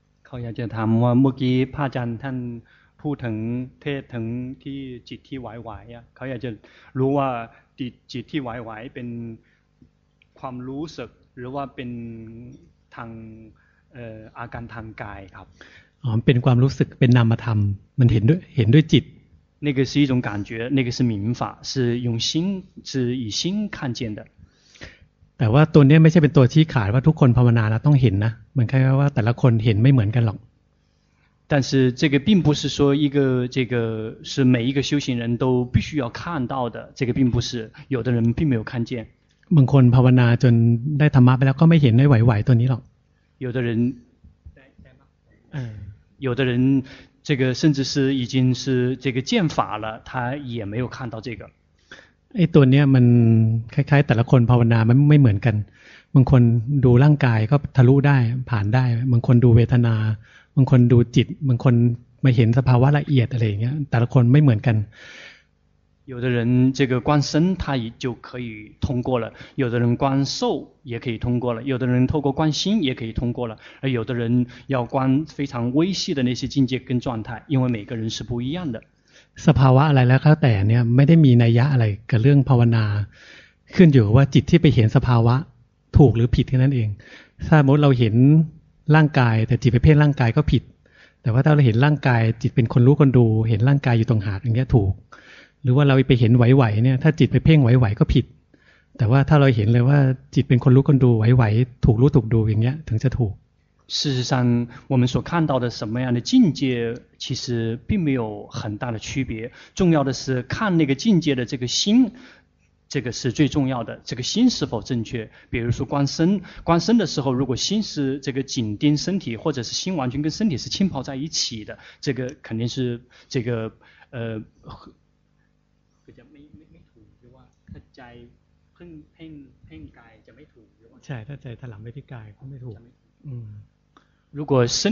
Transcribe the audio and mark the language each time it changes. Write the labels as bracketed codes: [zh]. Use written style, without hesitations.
[th] ขออยากจะถามว่าเมื่อกี้พระอาจารย์ท่านพูดถึงเทศถึงที่จิตที่ไหวๆอ่ะเขาอยากจะรู้ว่าจิตที่ไหวๆเป็นความรู้สึกหรือว่าเป็นทางอาการทางกายครับ อ๋อเป็นความรู้สึกเป็นนามธรรมมันเห็นด้วยจิต [zh] 那个是一种感觉那个是明法是用心是以心看见的 [th] แต่ว่าตัวนี้ไม่ใช่เป็นตัวชี้ขาดว่าทุกคนภาวนาแล้วต้องเห็นนะเหมือนแค่ว่าแต่ละคนเห็นไม่เหมือนกันหรอก [zh] 但是这个并不是说一个这个是每一个修行人都必须要看到的这个并不是有的人并没有看见 [th] บางคนภาวนาจนได้ธรรมะไปแล้วก็ไม่เห็นได้ไหวๆตัวนี้หรอก [zh] 有的人有的人这个甚至是已经是这个见法了他也没有看到这个 [th] ไอ้ตัวเนี้ยมันคล้ายๆแต่ละคนภาวนามันไม่เหมือนกันบางคนดูร่างกายก็ทะลุได้ผ่านได้บางคนดูเวทนาบางคนดูจิตบางคนมาเห็นสภาวะละเอียดอะไรอย่างเงี้ยแต่ละคนไม่เหมือนกัน [zh] 有的人这个观身他也就可以通过了有的人观受也可以通过了有的人透过观心也可以通过了而有的人要观非常微细的那些境界跟状态因为每个人是不一样的 [th] สภาวะอะไรแล้วก็แต่เนี่ยไม่ได้มีนัยยะอะไรกับเรื่องภาวนาขึ้นอยู่ว่าจิตที่ไปเห็นสภาวะถูกหรือผิดแค่นั้นเองถ้าสมมติเราเห็นร่างกายแต่จิตไปเพ่งร่างกายก็ผิดแต่ว่าถ้าเราเห็นร่างกายจิตเป็นคนรู้คนดูเห็นร่างกายอยู่ตรงหากอย่างเงี้ยถูกหรือว่าเราไปเห็นไหวๆเนี่ยถ้าจิตไปเพ่งไหวๆก็ผิดแต่ว่าถ้าเราเห็นเลยว่าจิตเป็นคนรู้คนดูไหวๆถูกรู้ถูกดูอย่างเงี้ยถึงจะถูก [zh] 事实上我们所看到的什么样的境界其实并没有很大的区别重要的是看那个境界的这个心这个是最重要的这个心是否正确比如说观身的时候如果心是这个紧盯身体或者是心完全跟身体是浸泡在一起的这个肯定是这个如果